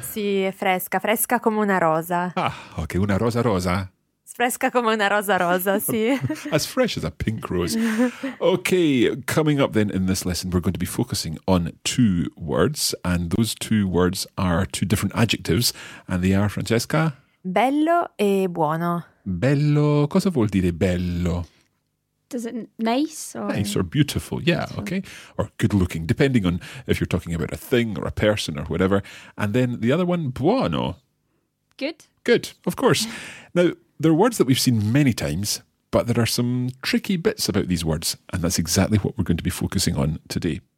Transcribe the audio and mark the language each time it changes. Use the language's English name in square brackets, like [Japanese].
[Italian] Sì, è fresca, fresca come una rosa. Ah, ok, una rosa rosa? Fresca come una rosa rosa, sì. [English] As fresh as a pink rose. Okay, coming up then in this lesson, we're going to be focusing on two words, and those two words are two different adjectives, and they are, Francesca? [Italian] Bello e buono. Bello, cosa vuol dire bello? [English] Does it nice or... Nice or beautiful, yeah, okay. Or good looking, depending on if you're talking about a thing or a person or whatever. And then the other one, buono. Good. Good, of course. Now, they're words that we've seen many times, but there are some tricky bits about these words, and that's exactly what we're going to be focusing on today.